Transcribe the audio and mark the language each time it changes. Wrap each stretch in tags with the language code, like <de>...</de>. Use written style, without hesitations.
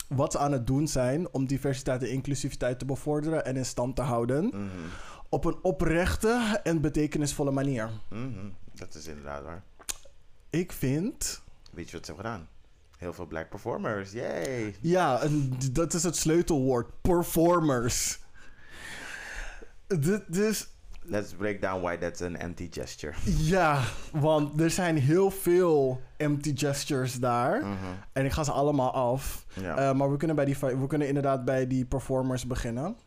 <nl>Wat ze aan het doen zijn om diversiteit en inclusiviteit te bevorderen en in stand te houden. Mm-hmm. Op een oprechte en betekenisvolle manier. Mm-hmm. Dat is inderdaad waar. Ik vind, weet je wat ze hebben gedaan? Heel veel black performers. Yay! Ja, en dat is het sleutelwoord. Performers. Dus</nl> <en>let's break down why that's an empty gesture.</en> <nl>Ja, want er zijn heel veel empty gestures daar. Mm-hmm. En ik ga ze allemaal af. Yeah. Maar we kunnen inderdaad bij die performers beginnen.</nl>